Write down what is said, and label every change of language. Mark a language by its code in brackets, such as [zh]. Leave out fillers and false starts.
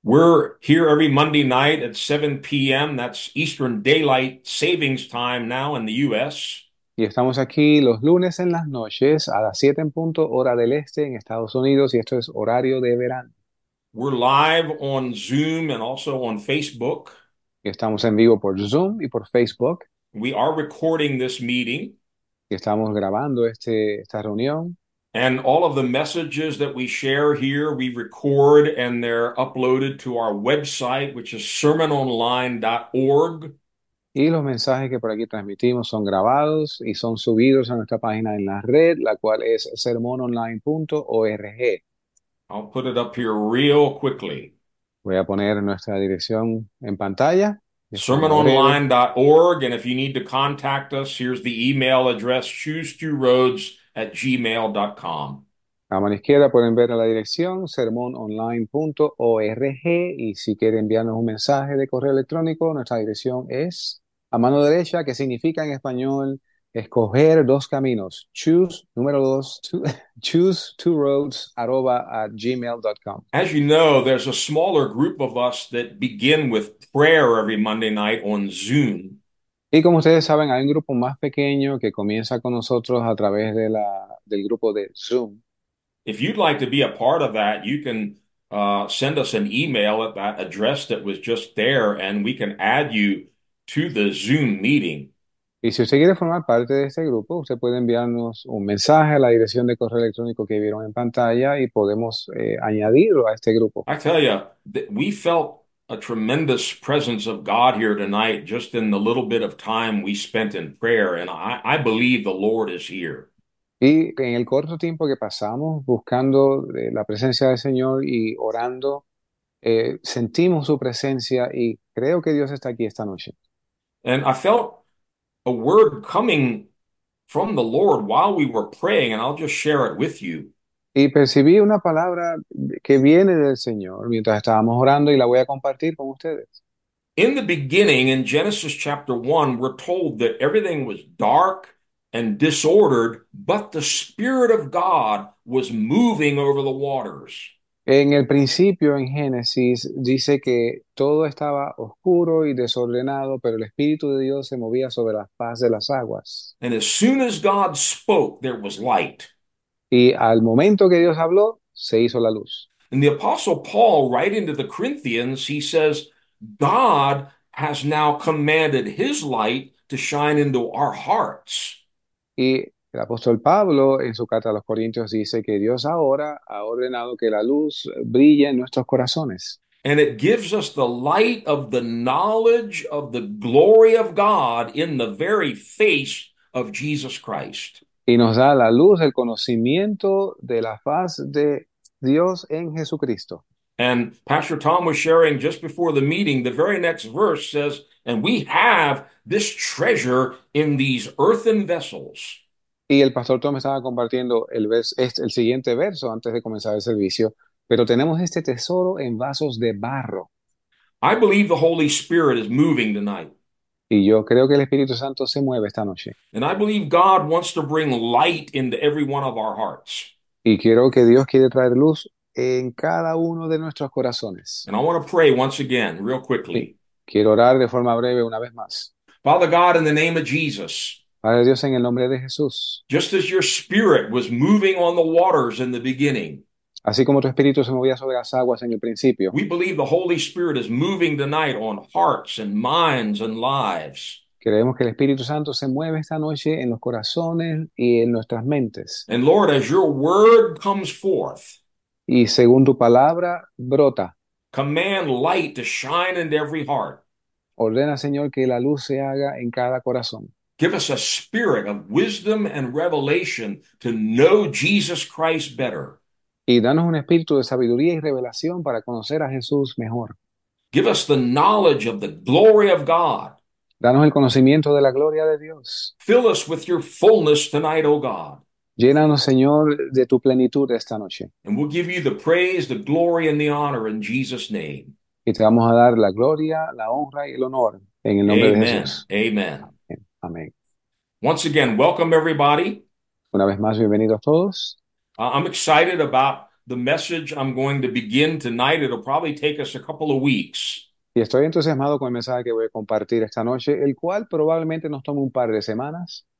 [en] We're here every Monday night at 7 p.m. That's Eastern Daylight Savings Time now in the U.S. [es] Y estamos aquí los lunes en las noches a las 7 en punto, hora del este en Estados Unidos, y esto es horario de verano. [en] We're live on Zoom and also on Facebook. [es] Y estamos en vivo por Zoom y por Facebook. [en] We are recording this meeting. [es] Y estamos grabando esta reunión. [en] And all of the messages that we share here, we record and they're uploaded to our website, which is sermononline.org. [es] Y los mensajes que por aquí transmitimos son grabados y son subidos a nuestra página en la red, la cual es sermononline.org. [en] I'll put it up here real quickly. [es] Voy a poner nuestra dirección en pantalla. [en] Sermononline.org. And if you need to contact us, here's the email address, choose2roads@gmail.com. [es] A mano izquierda pueden ver la dirección sermononline.org, y si quieren enviarnos un mensaje de correo electrónico, nuestra dirección es a mano derecha, que significa en español escoger dos caminos. [en] choose2roads@gmail.com. As you know, there's a smaller group of us that begin with prayer every Monday night on Zoom. [es] Y como ustedes saben, hay un grupo más pequeño que comienza con nosotros a través de del grupo de Zoom. [en] If you'd like to be a part of that, you can send us an email at that address that was just there, and we can add you to the Zoom meeting. [es] Y si usted quiere formar parte de este grupo, usted puede enviarnos un mensaje a la dirección de correo electrónico que vieron en pantalla y podemos añadirlo a este grupo. [en] I tell you, we felt a tremendous presence of God here tonight just in the little bit of time we spent in prayer, and I believe the Lord is here. [es] Y en el corto tiempo que pasamos buscando la presencia del Señor y orando, sentimos su presencia y creo que Dios está aquí esta noche. [en] And I felt a word coming from the Lord while we were praying, and I'll just share it with you. [es] Y percibí una palabra que viene del Señor mientras estábamos orando y la voy a compartir con ustedes. [en] In the beginning, in Genesis chapter 1, we're told that everything was dark and disordered, but the Spirit of God was moving over the waters. [es] En el principio, en Génesis, dice que todo estaba oscuro y desordenado, pero el Espíritu de Dios se movía sobre la faz de las aguas. [en] And as soon as God spoke, there was light. [es] Y al momento que Dios habló, se hizo la luz. [en] In the Apostle Paul, writing to the Corinthians, he says, God has now commanded his light to shine into our hearts. [es] Y el apóstol Pablo, en su carta a los Corintios, dice que Dios ahora ha ordenado que la luz brille en nuestros corazones. [en] And it gives us the light of the knowledge of the glory of God in the very face of Jesus Christ. [es] Y nos da la luz, el conocimiento de la faz de Dios en Jesucristo. [en] And Pastor Tom was sharing just before the meeting, the very next verse says, and we have this treasure in these earthen vessels. [es] Y el Pastor Tom estaba compartiendo el siguiente verso antes de comenzar el servicio, pero tenemos este tesoro en vasos de barro. [en] I believe the Holy Spirit is moving tonight. [es] Y yo creo que el Espíritu Santo se mueve esta noche. [en] And I believe God wants to bring light into every one of our hearts. [es] Y quiero que Dios quiere traer luz en cada uno de nuestros corazones. [en] And I want to pray once again, real quickly. [es] Sí. Quiero orar de forma breve una vez más. [en] Father God, in the name of Jesus. [es] Padre Dios, en el nombre de Jesús. [en] Just as your spirit was moving on the waters in the beginning. [es] Así como tu espíritu se movía sobre las aguas en el principio. [en] We believe the Holy Spirit is moving tonight on hearts and minds and lives. [es] Creemos que el Espíritu Santo se mueve esta noche en los corazones y en nuestras mentes. [en] And Lord, as your word comes forth, [es] y según tu palabra, brota. [en] Command light to shine into every heart. [es] Ordena, Señor, que la luz se haga en cada corazón. [en] Give us a spirit of wisdom and revelation to know Jesus Christ better. [es] Y danos un espíritu de sabiduría y revelación para conocer a Jesús mejor. [en] Give us the knowledge of the glory of God. [es] Danos el conocimiento de la gloria de Dios. [en] Fill us with your fullness tonight, O God. [es] Llénanos, Señor, de tu plenitud esta noche. [en] And we'll give you the praise, the glory, and the honor in Jesus' name. [es] Y te vamos a dar la gloria, la honra y el honor en el nombre [en] Amen. [es] De Jesús. [en] Amen. [es] Amén. [en] Once again, welcome everybody. [es] Una vez más, bienvenidos todos. [en] I'm excited about the message I'm going to begin tonight. It'll probably take us a couple of weeks. [es] Y estoy entusiasmado con el mensaje que voy a compartir esta noche, el cual probablemente nos tome un par de semanas.